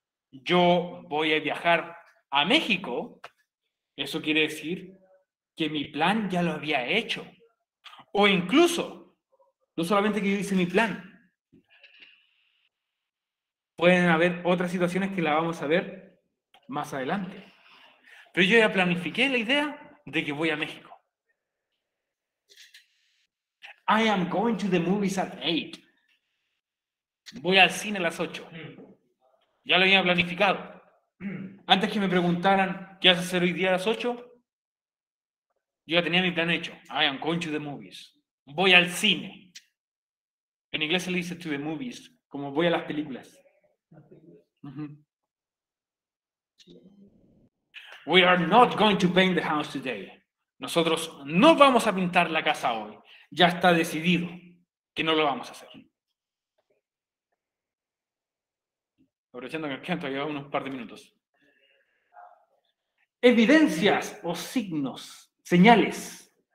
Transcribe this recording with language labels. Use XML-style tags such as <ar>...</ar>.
<es>Yo voy a viajar a México. Eso quiere decir que mi plan ya lo había hecho. O incluso, no solamente que yo hice mi plan. Pueden haber otras situaciones que la vamos a ver más adelante. Pero yo ya planifiqué la idea de que voy a México.</es> <en>I am going to the movies at 8.</en> <es>Voy al cine a las 8. Ya lo había planificado. Antes que me preguntaran, ¿qué vas a hacer hoy día a las 8? Yo ya tenía mi plan hecho.</es> <en>I am going to the movies.</en> <es>Voy al cine. En inglés se le dice</es> <en>to the movies,</en> <es>como voy a las películas.</es> <en>We are not going to paint the house today.</en> <es>Nosotros no vamos a pintar la casa hoy. Ya está decidido que no lo vamos a hacer. Aprovechando que el canto lleva unos par de minutos. Evidencias o signos, señales.</es>